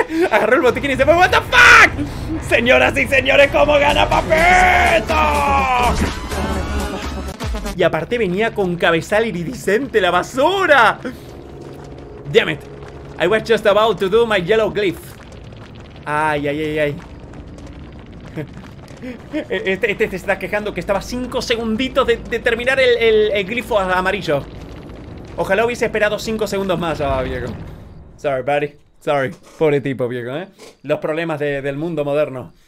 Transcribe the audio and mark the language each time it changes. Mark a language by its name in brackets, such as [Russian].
[Spanish] Agarró el botiquín y se fue. [English] ¡What the fuck! [Spanish] Señoras y señores, ¿cómo gana Papito? Y aparte venía con cabezal iridiscente, la basura. [English] Damn it. I was just about to do my yellow glyph. Ay, ay, ay, ay. [Spanish] Este se está quejando que estaba 5 segunditos de terminar el glifo amarillo. Ojalá hubiese esperado 5 segundos más, oh, viejo. [English] Sorry, buddy. Sorry. [Spanish] Pobre tipo, viejo, ¿eh? Los problemas del mundo moderno.